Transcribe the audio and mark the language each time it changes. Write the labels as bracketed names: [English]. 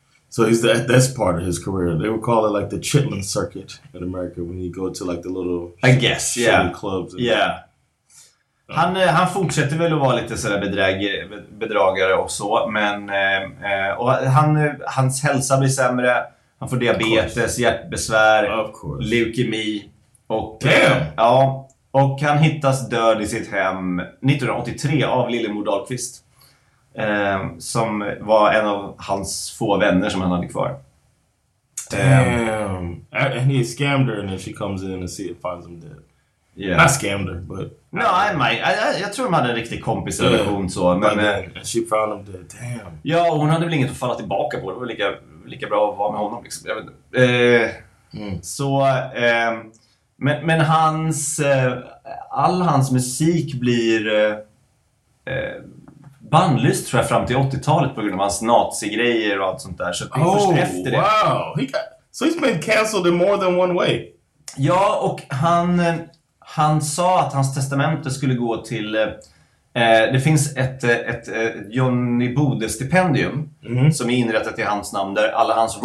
[English] So is that this part of his career? They would call it like the Chitlin circuit in America when you go to like the little clubs. And yeah. [Swedish] Han fortsätter väl att vara lite så där bedragare och så, men och hans hälsa blir sämre. Han får diabetes, hjärtbesvär, leukemi och och han hittas död i sitt hem 1983 av Lillemor Dahlqvist, som var en av hans få vänner som han hade kvar. [English] Damn. And he scammed her and then she comes in and see it finds him dead. Yeah. Not scammed her, but [Swedish] no, jag tror de hade en riktig kompis relation så, men [English] she found him dead. Damn. [Swedish] Ja, och hon hade väl inget att falla tillbaka på. Det var lika bra att vara med honom liksom. Jag vet inte. Men hans all hans musik blir bannlyst tror jag fram till 80-talet på grund av hans nazigrejer och allt sånt där. Så efter det. [English] Wow. So he's been canceled in more than one way. [Swedish] Ja, och han sa att hans testamente skulle gå till det finns ett Johhny Bode stipendium som är inrättat i hans namn där alla hans